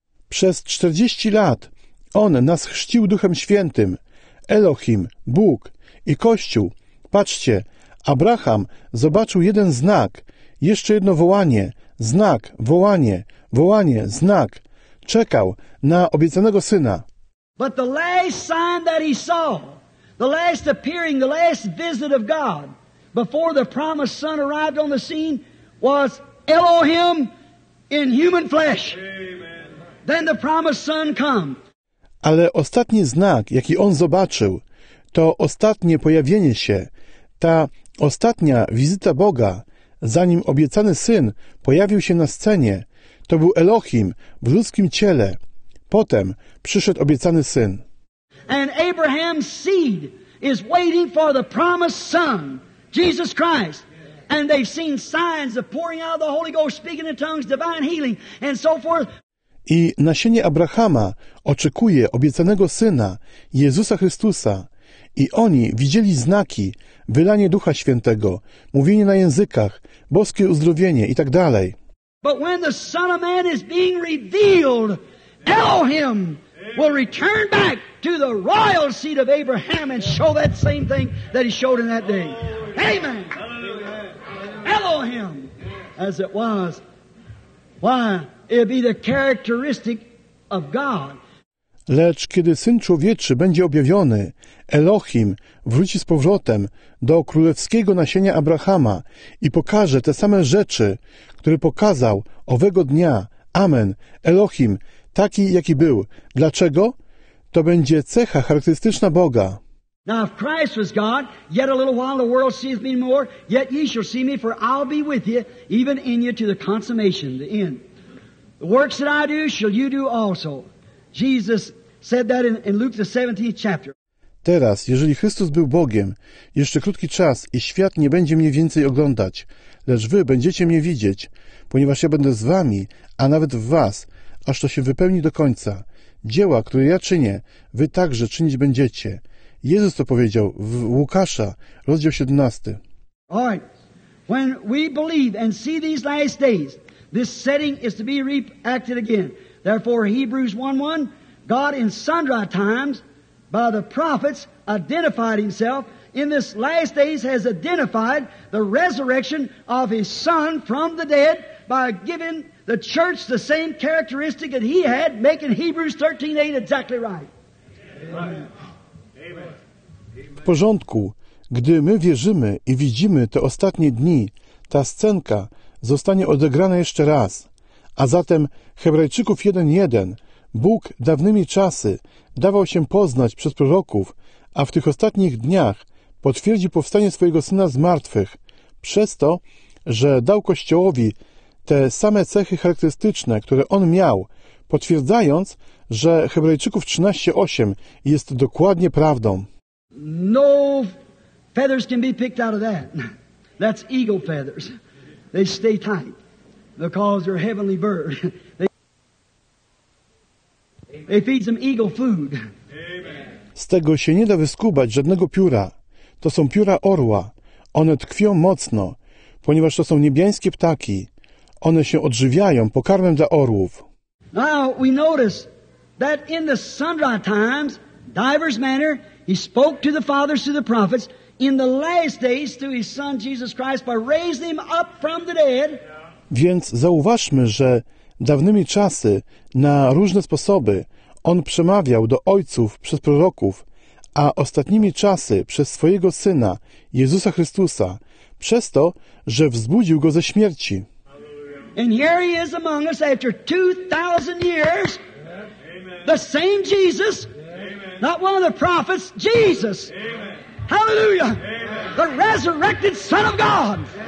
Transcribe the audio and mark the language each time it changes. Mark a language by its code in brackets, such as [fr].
[pl] Przez 40 lat on nas chrzcił Duchem Świętym, Elohim, Bóg i Kościół. Patrzcie, Abraham zobaczył jeden znak, jeszcze jedno wołanie, znak, wołanie, wołanie, znak. Czekał na obiecanego syna. [en] But the last sign that he saw, the last appearing, the last visit of God, before the promised son arrived on the scene, was Elohim in human flesh. Amen. Then the promised son come. [pl] Ale ostatni znak, jaki on zobaczył, to ostatnie pojawienie się, ta ostatnia wizyta Boga, zanim obiecany syn pojawił się na scenie, to był Elohim w ludzkim ciele. Potem przyszedł obiecany syn. [en] And Abraham's seed is waiting for the promised son. Jesus Christ, and they've seen signs of pouring out of the Holy Ghost, speaking in tongues, divine healing, and so forth. [pl] I nasienie Abrahama oczekuje obiecanego syna, Jezusa Chrystusa, i oni widzieli znaki, wylanie Ducha Świętego, mówienie na językach, boskie uzdrowienie i tak dalej. [en] But when the Son of Man is being revealed, Elohim will return back to the royal seed of Abraham and show that same thing that he showed in that day. Amen. Elohim, as it was. Why? It'll be the characteristic of God. [pl] Lecz kiedy Syn Człowieczy będzie objawiony, Elohim wróci z powrotem do królewskiego nasienia Abrahama i pokaże te same rzeczy, które pokazał owego dnia. Amen. Elohim, taki, jaki był. Dlaczego? To będzie cecha charakterystyczna Boga. [en] Now if Christ was God, yet a little while the world seeth me more, yet ye shall see me, for I'll be with you, even in you, to the consummation, the end. The works that I do, shall you do also. Jesus said that in Luke the 17th chapter. [pl] Teraz, jeżeli Chrystus był Bogiem, jeszcze krótki czas i świat nie będzie mnie więcej oglądać, lecz wy będziecie mnie widzieć, ponieważ ja będę z wami, a nawet w was, aż to się wypełni do końca. Dzieła, które ja czynię, wy także czynić będziecie. Jezus to powiedział w Łukasza, rozdział 17. [en] All right. When we believe and see these last days, this setting is to be reacted again. Therefore, Hebrews 1:1, God in sundry times by the prophets identified himself in this last days has identified the resurrection of his son from the dead by giving the church the same characteristic that he had, making Hebrews 13:8 exactly right. Amen. [pl] W porządku, gdy my wierzymy i widzimy te ostatnie dni, ta scenka zostanie odegrana jeszcze raz. A zatem Hebrajczyków 1:1, Bóg dawnymi czasy dawał się poznać przez proroków, a w tych ostatnich dniach potwierdził powstanie swojego Syna z martwych, przez to, że dał Kościołowi te same cechy charakterystyczne, które on miał, potwierdzając, że Hebrajczyków 13:8 jest dokładnie prawdą. [en] No feathers can be picked out of that. That's eagle feathers. They stay tight because they're a heavenly bird. They feed them eagle food. [pl] Z tego się nie da wyskubać żadnego pióra. To są pióra orła. One tkwią mocno, ponieważ to są niebiańskie ptaki. One się odżywiają pokarmem dla orłów. [en] Now we notice that in the sundry times, divers manner, he spoke to the fathers, to the prophets, in the last days to his son Jesus Christ by raising him up from the dead. [pl] Więc zauważmy, że dawnymi czasy na różne sposoby on przemawiał do ojców przez proroków, a ostatnimi czasy przez swojego syna, Jezusa Chrystusa, przez to, że wzbudził go ze śmierci. [en] And here he is among us after 2,000 years. The same Jesus. Not one of the prophets, Jesus. Hallelujah. The resurrected Son of God.